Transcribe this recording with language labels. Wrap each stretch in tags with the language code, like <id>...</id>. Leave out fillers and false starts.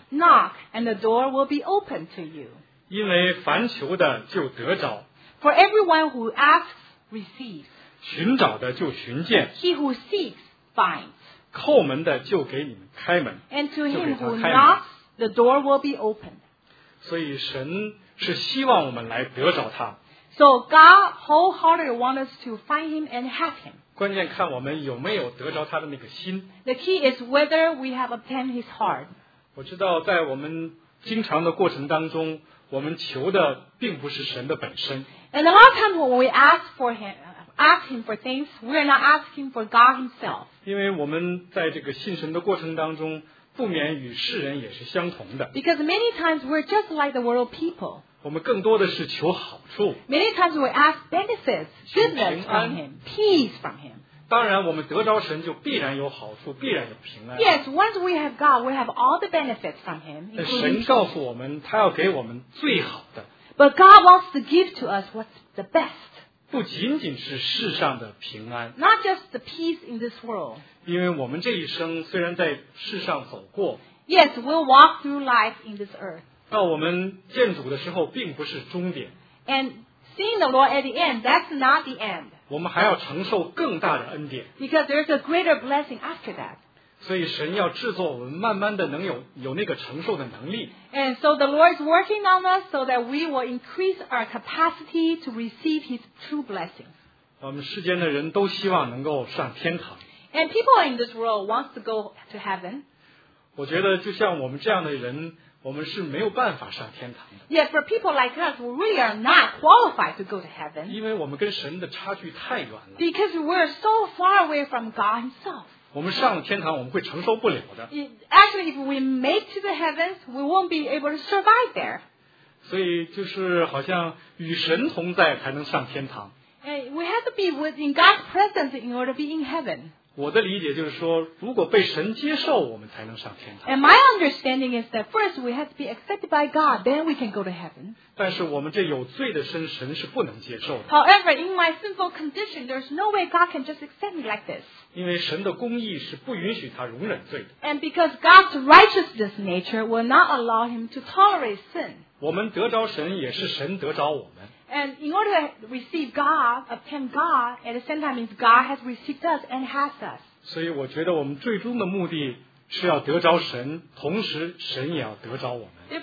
<en>Knock and the door will be opened to you.</en> <zh>因为凡求的就得着。</zh> <en>For everyone who asks receives.</en> <zh>寻找的就寻见。</zh> <en>He who seeks finds.</en> <zh>叩门的就给你们开门。</zh> <en>And to him who knocks, the door will be opened.</en> <zh>所以神是希望我们来得着他。</zh> <en>So God wholeheartedly wants us to find him and have him.</en> <zh>关键看我们有没有得着他的那个心。</zh> <en>The key is whether we have obtained his heart.</en> <zh>我知道在我们经常的过程当中，我们求的并不是神的本身。</zh> <en>And a lot of times when we ask him for things, we are not asking for God himself.</en> <zh>因为我们在这个信神的过程当中，不免与世人也是相同的。</zh> <en>Because many times we're just like the world people.</en> <zh>我们更多的是求好处。</zh> <en>Many times we ask benefits. Goodness from him, peace from him.</en> <zh>当然，我们得着神就必然有好处，必然有平安。</zh> <en>Yes, once we have God, we have all the benefits from him.</en> <zh>神告诉我们，他要给我们最好的。</zh> <en>But God wants to give to us what's the best.</en> <zh>不仅仅是世上的平安。</zh> <en>Not just the peace in this world.</en> <zh>因为我们这一生虽然在世上走过。</zh> <en>Yes, we'll walk through life in this earth.</en> <zh>到我们见主的时候，并不是终点。</zh> <en>And Seeing the Lord at the end, that's not the end.</en> <zh>我们还要承受更大的恩典。</zh> <en>Because there's a greater blessing after that.</en> <zh>所以神要制作我们慢慢的能有那个承受的能力。</zh> <en>And so the Lord is working on us so that we will increase our capacity to receive His true blessing.</en> <zh>我们世间的人都希望能够上天堂。</zh> <en>And people in this world wants to go to heaven.</en> <zh>我觉得就像我们这样的人我们是没有办法上天堂的。</zh> <en>Yet for people like us, we really are not qualified to go to heaven.</en> <zh>因为我们跟神的差距太远了。</zh> <en>Because we're so far away from God Himself.</en> <zh>我们上了天堂，我们会承受不了的。</zh> <en>Actually, if we make to the heavens, we won't be able to survive there.</en> <zh>所以就是好像与神同在才能上天堂。</zh> <en>We have to be within God's presence in order to be in heaven.</en> <zh>我的理解就是说，如果被神接受，我们才能上天堂。</zh> <en>And my understanding is that first we have to be accepted by God, then we can go to heaven.</en> <zh>但是我们这有罪的身，神是不能接受的。</zh> <en>However, in my sinful condition, there's no way God can just accept me like this.</en> <zh>因为神的公义是不允许他容忍罪的。</zh> <en>And because God's righteousness nature will not allow him to tolerate sin.</en> <zh>我们得着神，也是神得着我们。</zh> <en>And in order to receive God, obtain God, at the same time means God has received us and has us.</en> <zh>所以我觉得我们最终的目的是要得着神，同时神也要得着我们。</zh>